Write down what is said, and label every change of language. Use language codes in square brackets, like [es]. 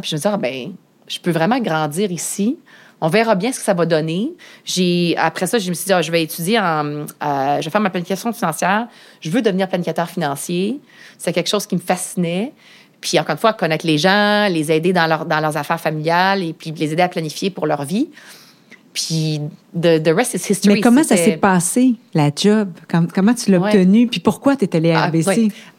[fr] Puis je me disais, je peux vraiment grandir ici. On verra bien ce que ça va donner. Je me suis dit, je vais étudier je vais faire ma planification financière. Je veux devenir planificateur financier. C'est quelque chose qui me fascinait. Puis, encore une fois, connaître les gens, les aider dans leurs affaires familiales et puis les aider à planifier pour leur vie. [en] Puis, the rest is history. [fr] Mais comment ça s'est passé, la job? Comment tu l'as obtenue? Puis, pourquoi tu es allée à RBC?